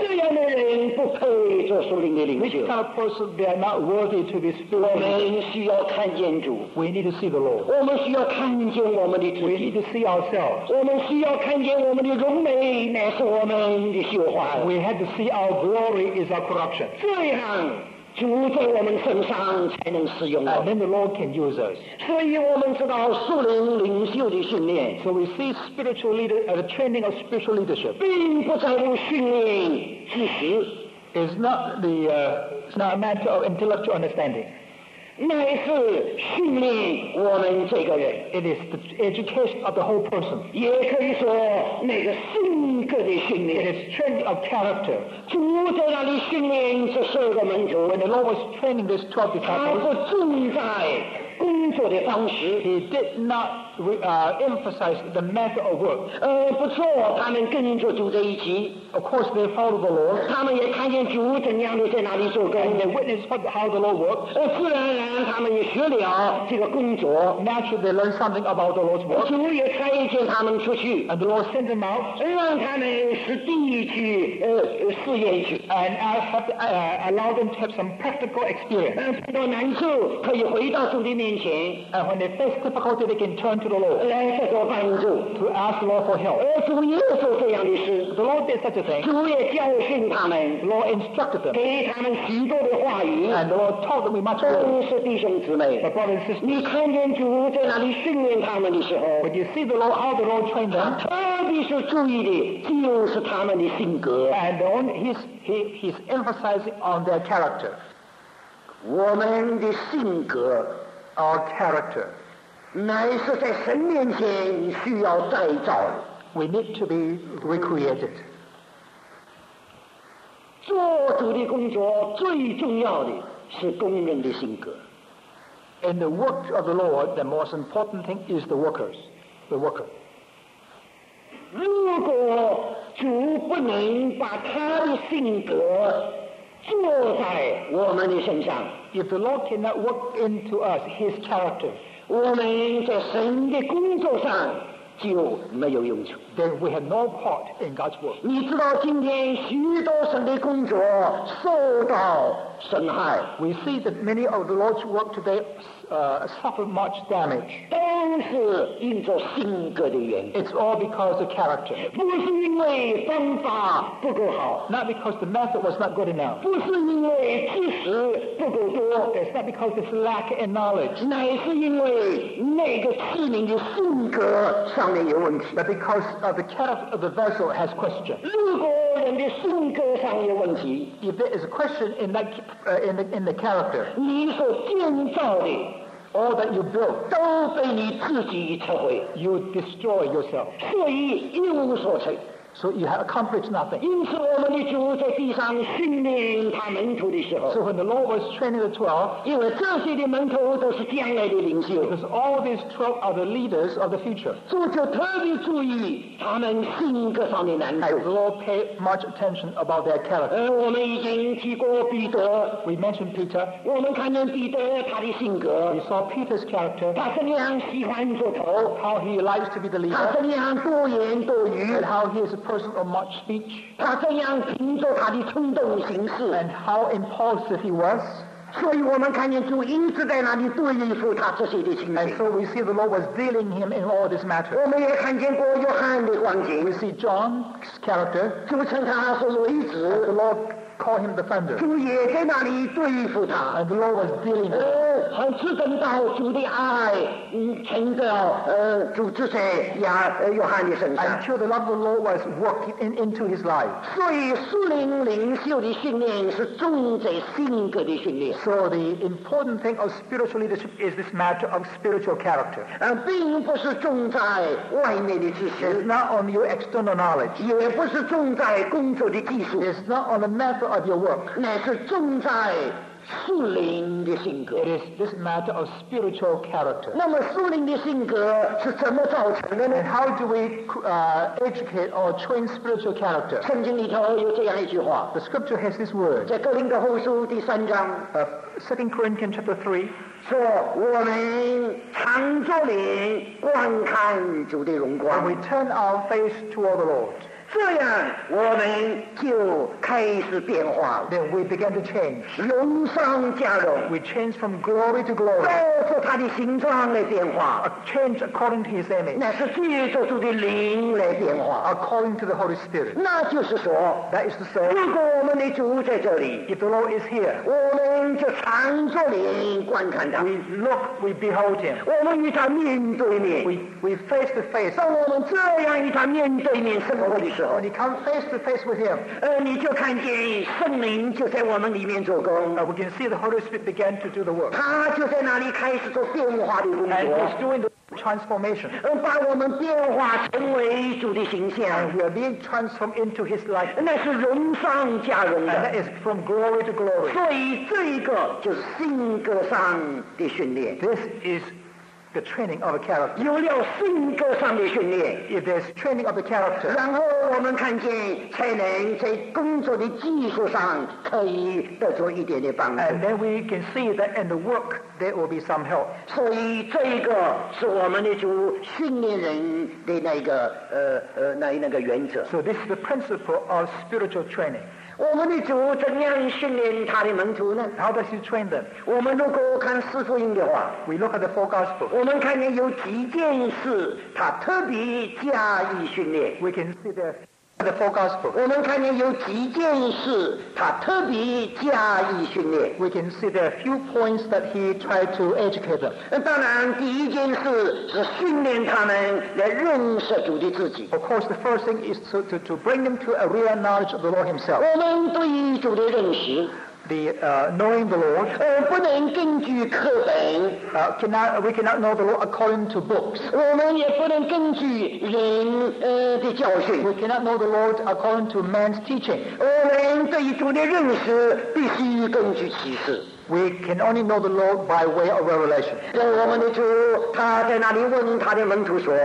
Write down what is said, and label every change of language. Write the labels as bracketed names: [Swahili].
[English] This kind of person, they are not worthy to be spiritual. We need to see the Lord. We need to see ourselves. We have to see our glory is our corruption. [Chinese] 这样, 主在我们身上才能使用我们。 [English] And then the Lord can use us. [Chinese] 所以我们知道属灵领袖的训练。 [English] So we see spiritual leader, the training of spiritual leadership. [Chinese] 并不在乎训练知识。 [English] It's not the, it's not a matter of intellectual understanding. [Chinese] 乃是训练我们这个人 [English] It is the education of the whole person [Chinese] 也可以说那个性格的训练 [English] It is strength of character [Chinese] 主在那里训练这十个门徒 [English] When the Lord was training this 12 disciples [Chinese] 他不重在工作的方式 [English] He did not emphasize the method of work [Chinese] 不错他们跟着主在一起 [English] Of course they followed the Lord [Chinese] 他们也看见主怎样的在那里做工 [English] And they witnessed how the Lord worked [Chinese] 自然他们也学了这个工作 [English] Naturally they learned something about the Lord's work [Chinese] 主也差遣他们出去 [English] And the Lord sent them out [Chinese] 让他们实地去试验去 [English] And I have to, allow them to have some practical experience [Chinese] 碰到难处可以回到主的面前 [English] And when they face difficulty they can turn to the Lord [Chinese] 来寻求帮助 [English] To ask the Lord for help [Chinese] 主也做这样的事 [English] The Lord did such a thing [Chinese] 主也教训他们 [English] The Lord instructed them [Chinese] 给他们许多的话语 [English] And the Lord taught them much more [Chinese] 是弟兄姊妹 [English] My brother and sister, [Chinese] 你看见主在哪里训练他们的时候 [English] When you see the Lord, how the Lord trained them [Chinese] 特别是注意的就是他们的性格 [English] And on his, he's emphasizing on their character [Chinese] 我们的性格 [English] Our character [Chinese] 乃是在神面前需要再造 [English] We need to be recreated [Chinese] 做主的工作最重要的是工人的性格。 [English] In the work of the Lord, the most important thing is the workers, the worker. [Chinese] 如果主不能把他的性格做在我们的身上 [English] If the Lord cannot work into us, his character, [Chinese] 我们在神的工作上就没有用处 [English] Then we have no part in God's work. [Chinese] 你知道今天许多神的工作受到损害 [English] We see that many of the Lord's work today suffer much damage. [Chinese] 都是因着性格的原因 [English] It's all because of character. [Chinese] 不是因为方法不够好 [English] Not because the method was not good enough. [Chinese] 不是因为知识不够多 [English] It's not because it's lack in knowledge. [Chinese] 乃是因为那个器皿的性格上面有问题 [English] But because of the character of the vessel has question. [Chinese] 如果人的性格上有问题 [English] If there is a question in that in the character [Chinese] 你所建造的 [English] all that you build [Chinese] 都被你自己摧毁 [English] you destroy yourself [Chinese] 所以一无所成 [English] so you have accomplished nothing [Chinese] 因此我们的主在地上训练他门徒的时候 [English] so when the Lord was training the 12 [Chinese] 因为这些的门徒都是将来的领袖 [English] because all these 12 are the leaders of the future [Chinese] 主就特别注意他们性格上的难处 [English] the Lord paid much attention about their character [Chinese] 我们已经提过彼得 [English] we mentioned Peter [Chinese] 我们看见彼得他的性格 [English] we saw Peter's character [Chinese] 他怎样喜欢做头 [English] how he likes to be the leader [Chinese] 他怎样多言多语 [English] and how he isa person of much speech [Chinese] 他这样凭着他的冲动行事 [English] and how impulsive he was [Chinese] 所以我们看见主一直在那里对应付他这些的情形 [English] and so we see the Lord was dealing him in all this matter [Chinese] 我们也看见过约翰的光景 [English] we see John's character [Chinese] 主称他是雷子 [English] and the Lord called him the thunder [Chinese] 主也在那里对应付他 [English] and the Lord was dealing [Chinese] him 很自根到主的爱成着主之谁约翰的身上 [English] until the love of the Lord was worked into his life [Chinese] 所以属灵领袖的训练是重在性格的训练 [English] so the important thing of spiritual leadership is this matter of spiritual character [Chinese] 并不是重在外面的知识 [English] it's not on your external knowledge [Chinese] 也不是重在工作的技术 [English] it's not on the method of your work [Chinese] 乃是重在属灵的性格 [English] It is this matter of spiritual character [Chinese] 那么属灵的性格是怎么造成的呢 [English] And how do we educate or train spiritual character [Chinese] 圣经里头有这样一句话 [English] The scripture has this word [Chinese] 在哥林多后书第三章 [English] 2 Corinthians chapter 3 [Chinese] 说我们常作脸观看主的荣光 [English] And we turn our face toward the Lord [Chinese] 这样我们就开始变化了 [English] Then we began to change [Chinese] 荣上加荣 [English] We changed from glory to glory [Chinese] 照着他的形状来变化 [English] A change according to his image [Chinese] 那是借着主的灵来变化 [English] According to the Holy Spirit [Chinese] 那就是说 [English] That is to say [Chinese] 如果我们的主在这里 [English] If the Lord is here [Chinese] 我们在场所里观看他。 [English] We look, we behold him. [Chinese] 我们与他面对面。 [English] We face to face. [Chinese] 当我们这样与他面对面生活的时候 [English] ，When you come face to face with him, [Chinese] 你就看见圣灵就在我们里面做工。 [English] We can see the Holy Spirit began to do the work. [Chinese] 他就在那里开始做变化的工作。 [English] And he's doing the transformation. [Chinese] 把我们变化成为主的形象。 [English] And we are being transformed into His likeness. [Chinese] 那是荣上加荣的。 [English] And that is from glory to glory. [Chinese] 所以这一个就是性格上的训练。 [English] This is the training of a character. [Chinese] 有了性格上的训练。 [English] If there's training of the character. [Chinese] 然后我们看见才能在工作的技术上可以得出一点的帮助。 [English] And then we can see that in the work. There will be some help. [Chinese] 所以这一个是我们的主训练人的那个那个原则。 [English] So this is the principle of spiritual training. [Chinese] 我们的主怎样训练他的门徒呢 [English] ？How does he train them? [Chinese] 我们如果看四福音的话 [English] ，We look at the four gospels. [Chinese] 我们看见有几件事他特别加以训练。 [English] We can see there. The four gospels. [Chinese] 我们看见有几件事他特别加以训练。 [English] We can see there are a few points that he tried to educate them. [Chinese] 当然，第一件事是训练他们来认识主的自己。 [English] Of course, the first thing is to bring them to a real knowledge of the Lord Himself. [Chinese] 我们对主的认识。 [English] Knowing the Lord. [Chinese] 不能根据课本。 [English] We cannot know the Lord according to books. [Chinese] 我们也不能根据人的教训。 [English] We cannot know the Lord according to man's teaching. [Chinese] 我们对主的认识必须根据启示。 [English] We can only know the Lord by way of revelation. [Chinese] 我们的主他在那里问他的门徒说